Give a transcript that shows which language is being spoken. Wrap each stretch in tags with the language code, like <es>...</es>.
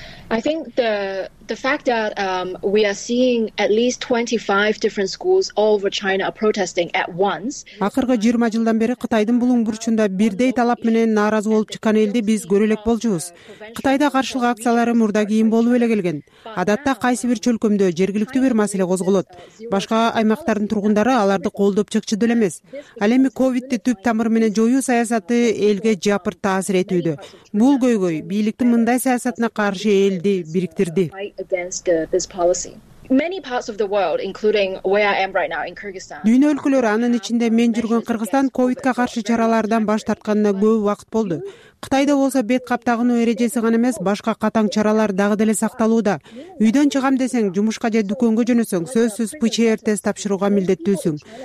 <en>I think the fact that we are seeing at least 25 different schools all over China are protesting at once.</en> <ky>Акыркы 20 жылдан бери Кытайдын булуң бурчунда бирдей талап менен нааразы болуп чыккан элди биз көрө элек болчубуз. Кытайда каршылык акциялары мурда кийин болуп эле келген. Адатта кайсы бир чөлкөмдө жергиликтүү бир маселе козголот. Башка аймактардын тургундары аларды колдоп чыкчу деле эмес. Ал эми ковидти түп тамыры менен жоюу саясаты элге жапыр таасир этүүдө. Бул көйгөй бийликтин мындай саясатына каршы элди бириктирди.</ky> <en>Many parts of the world, including where I am right now in Kyrgyzstan.</en> <ky>Дүйнө өлкөлөрү, анын ичинде мен жүргөн Кыргызстан ковидке каршы чаралардан баш тартканына көп убакыт болду. Кытайда болсо бет кап тагынуу эрежеси гана эмес, башка катаң чаралар дагы деле сакталууда. Үйдөн чыгам десең, жумушка же дүкөнгө жөнөсөң, сөзсүз ПЦР тест тапшырууга милдеттүүсүң.</ky>